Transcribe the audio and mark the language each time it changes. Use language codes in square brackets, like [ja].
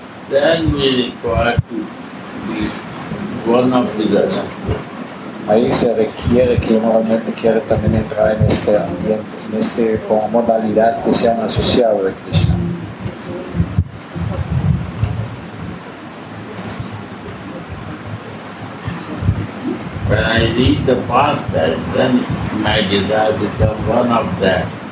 [en] Then we require to be one of his associates. [es] Ahí se requiere que uno realmente quiera también entrar en este ambiente, en este como modalidad que sea un asociado de Krishna. [en] When I read the past, then my desire becomes one of them.